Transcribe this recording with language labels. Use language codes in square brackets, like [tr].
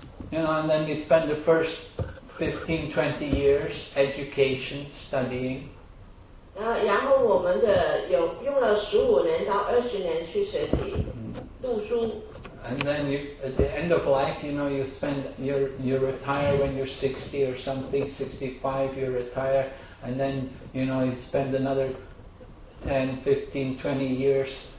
[en] You know, and then we spend the first 15-20 years education, studying. [zh] 然后我们用了15年到20年去学习读书。 [en] And then you, at the end of life, you know, you spend you retire when you're 60 or something, 65 you retire, and then you know you spend another 10, 15, 20 years.